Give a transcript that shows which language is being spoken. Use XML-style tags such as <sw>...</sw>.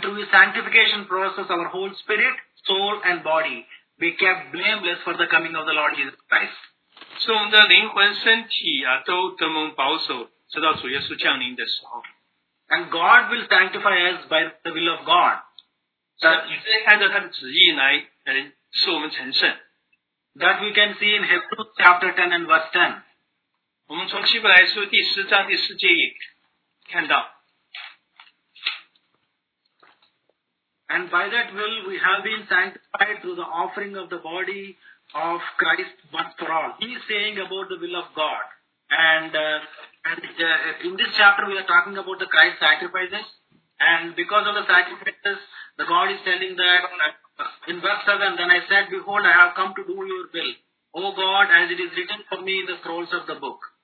<en>through the sanctification process, our whole spirit, soul, and body be kept blameless for the coming of the Lord Jesus Christ.</en> <zh>使我们的灵魂、身体啊都得蒙保守，直到主耶稣降临的时候。</zh> <en>And God will sanctify us by the will of God.</en> <zh>按照他的旨意来，使我们成圣。</zh> <en>That we can see in Hebrews chapter 10 and verse 10.</en> <zh>我们从希伯来书第10章第4节也看到。</zh> <en>And by that will we have been sanctified through the offering of the body of Christ once for all. He is saying about the will of God. And in this chapter we are talking about the Christ sacrifices. And because of the sacrifices, the God is telling that in verse 7, then I said, behold, I have come to do your will, O God, as it is written for me in the scrolls of the book.</en>